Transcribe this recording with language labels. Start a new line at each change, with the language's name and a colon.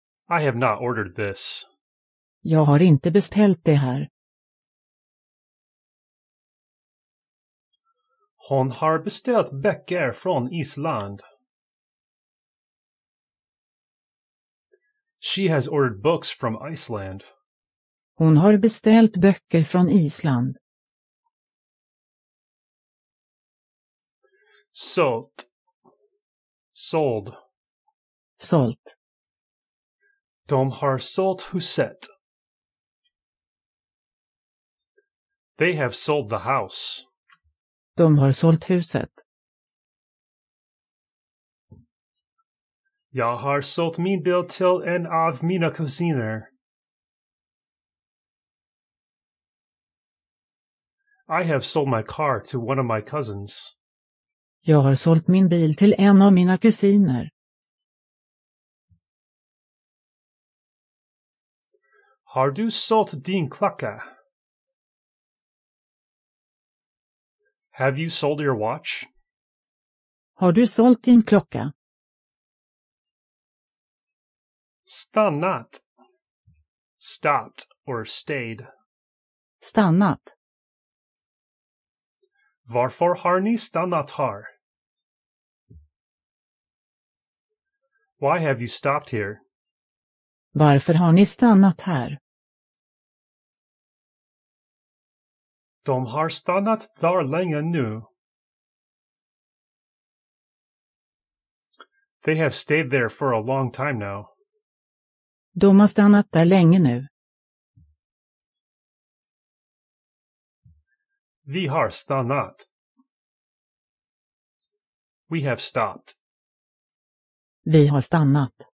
English: I have not ordered this.
Swedish: Jag har inte beställt det här. Hon har beställt böcker från Island.
English: She has ordered books from Iceland.
Swedish: Hon har beställt böcker från Island. Sålt.
English: Sold.
Swedish: Sålt. De har sålt huset.
English: They have sold the house.
Swedish: De har sålt huset. Jag har sålt min bil till en av mina kusiner.
English: I have sold my car to one of my cousins.
Swedish: Jag har sålt min bil till en av mina kusiner. Har du sålt din klocka?
English: Have you sold your watch?
Swedish: Har du sålt din klocka? Stannat.
English: Stopped or stayed.
Swedish: Stannat. Varför har ni stannat här?
English: Why have you stopped here?
Swedish: Varför har ni stannat här? De har stannat där länge nu.
English: They have stayed there for a long time now.
Swedish: De har stannat där länge nu. Vi har stannat.
English: We have stopped.
Swedish: Vi har stannat.